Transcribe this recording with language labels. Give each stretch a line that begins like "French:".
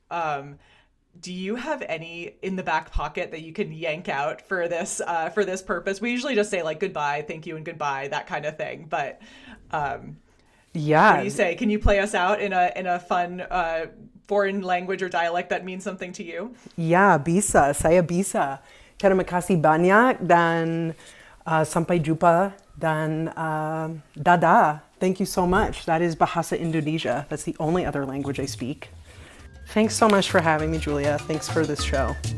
English: Do you have any in the back pocket that you can yank out for this purpose? We usually just say like goodbye, thank you, and goodbye, that kind of thing. But yeah, what do you say? Can you play us out in a fun foreign language or dialect that means something to you?
Indonesian: Yeah, bisa, saya bisa. Terima kasih banyak dan sampai jumpa dan dadah.
English: Thank you so much. That is Bahasa Indonesia. That's the only other language I speak. Thanks so much for having me, Julia. Thanks for this show.